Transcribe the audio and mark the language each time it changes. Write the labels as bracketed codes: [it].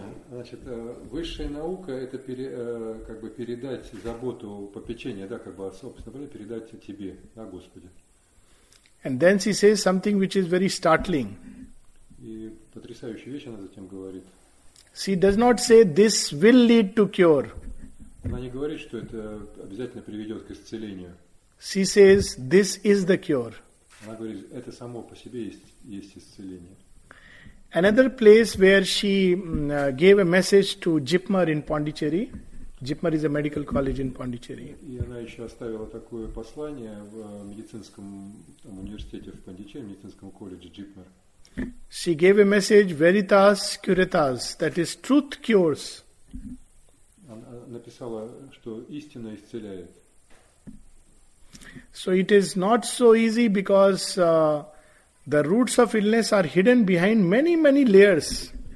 [ru] Значит, высшая наука – это передать заботу, попечение, да, как бы о собственном боли, передать тебе, да, Господи. [en] And then she says something which is very startling. [ru] И потрясающая вещь она затем говорит. [en] She does not say this will lead to cure. [ru] Она не говорит, что это обязательно приведет к исцелению. [en] She says this is the cure. [ru] Она говорит, это само по себе есть исцеление. [en] Another place where she gave a message to Jipmer in Pondicherry. Jipmer is a medical college in Pondicherry. [ru] И она еще оставила такое послание в медицинском там, университете в Пондичерри, в медицинском колледже Jipmer. [en] She gave a message, [la] veritas curitas, [en] that is, truth cures. [ru] Она написала, что истина исцеляет. [en] So it is not so easy because the roots of illness are hidden behind many, many layers.